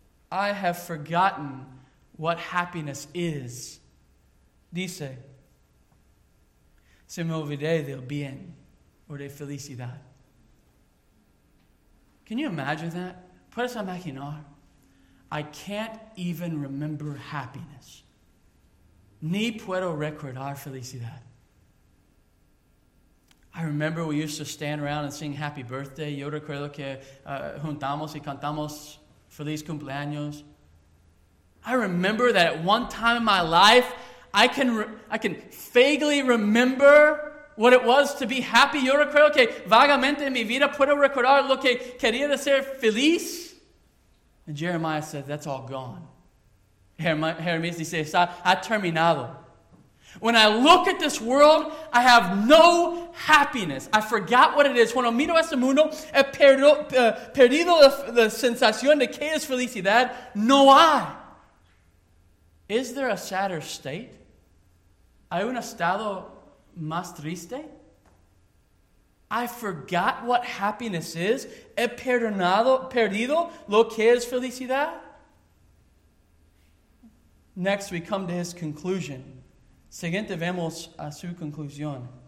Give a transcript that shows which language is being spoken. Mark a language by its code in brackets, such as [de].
[en] I have forgotten what happiness is. [es] Dice. Se me olvidé del bien. [en] Or [es] de felicidad. [en] Can you imagine that? [es] Puedes imaginar. [en] I can't even remember happiness. [es] Ni puedo recordar felicidad. [en] I remember we used to stand around and sing Happy Birthday. [es] Yo recuerdo que juntamos y cantamos Feliz Cumpleaños. [en] I remember that at one time in my life, I can vaguely remember what it was to be happy. [es] Yo recuerdo que vagamente en mi vida puedo recordar lo que quería ser feliz. [en] And Jeremiah said, that's all gone. [es] Jeremías dice, ha terminado. [en] When I look at this world, I have no happiness. I forgot what it is. [es] Cuando miro este mundo, he perdido la sensación de que es felicidad. No hay. [en] Is there a sadder state? [es] ¿Hay un estado más triste? [en] I forgot what happiness is. [es] He perdido lo que es felicidad. [en] Next, we come to his conclusion. [es] Siguiente, vemos a su conclusión.